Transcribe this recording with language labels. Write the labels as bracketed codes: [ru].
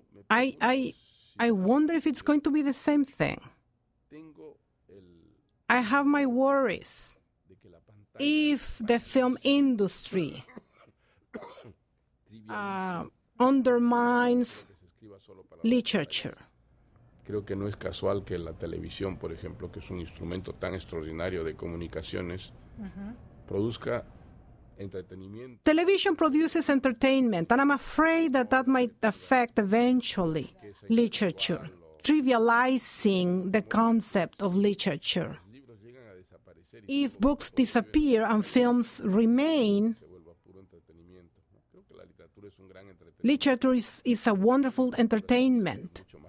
[en] I wonder if it's going to be the same thing. I have my worries if the film industry undermines literature. [es] Creo que no es casual que la televisión, por ejemplo, que es un instrumento tan extraordinario de comunicaciones, produzca entretenimiento. [en] Television produces entertainment, and I'm afraid that that might affect eventually literature, trivializing the concept of literature. If books disappear and films remain, literature is a wonderful entertainment.